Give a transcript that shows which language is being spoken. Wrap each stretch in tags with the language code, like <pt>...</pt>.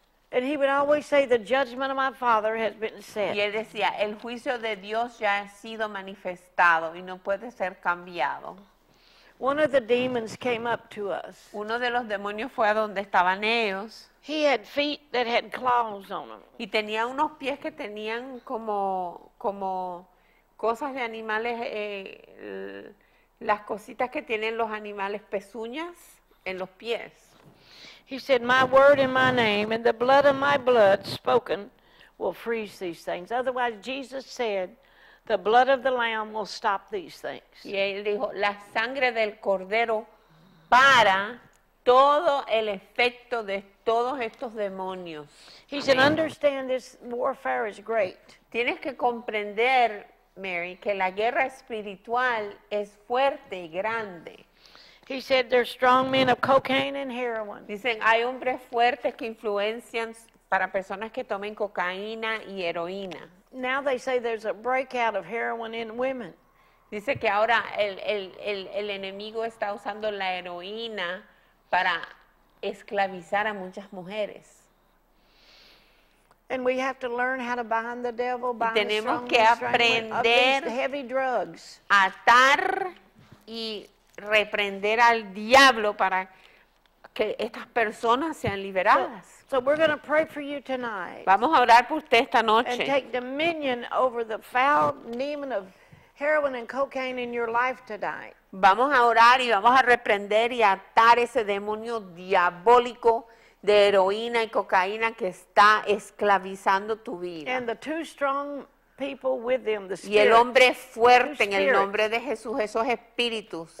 <en>And he would always say, "The judgment of my Father has been set."</en> <es>Y él decía, el juicio de Dios ya ha sido manifestado y no puede ser cambiado.</es> <en>One of the demons came up to us.</en> <es>Uno de los demonios fue a donde estaban ellos.</es> <en>He had feet that had claws on them.</en> <es>Y tenía unos pies que tenían como cosas de animales, las cositas que tienen los animales, pezuñas en los pies.</es> <en>He said, "My word and my name and the blood of my blood spoken will freeze these things." Otherwise, Jesus said, "The blood of the lamb will stop these things."</en> <es>Y él dijo, "La sangre del cordero para todo el efecto de todos estos demonios."</es> <en>He said, "Understand this warfare is great."</en> <es>Tienes que comprender, Mary, que la guerra espiritual es fuerte y grande.</es> <en>He said, "There's strong men of cocaine and heroin."</en> <es>Dicen, hay hombres fuertes que influencian para personas que tomen cocaína y heroína.</es> <en>Now they say there's a breakout of heroin in women.</en> <es>Dice que ahora el enemigo está usando la heroína para esclavizar a muchas mujeres.</es> <en>And we have to learn how to bind the devil, bind the strong men, strangling of these heavy drugs.</en> <es>Atar y reprender al diablo para que estas personas sean liberadas.</es> <en>So we're going to pray for you tonight.</en> <es>Vamos a orar por usted esta noche.</es> <en>And take dominion over the foul demon of heroin and cocaine in your life tonight.</en> <es>Vamos a orar y vamos a reprender y atar ese demonio diabólico de heroína y cocaína que está esclavizando tu vida.</es> <en>And the two strong people with them, the spirit.</en> <es>Y el hombre fuerte en el nombre de Jesús, esos espíritus.</es>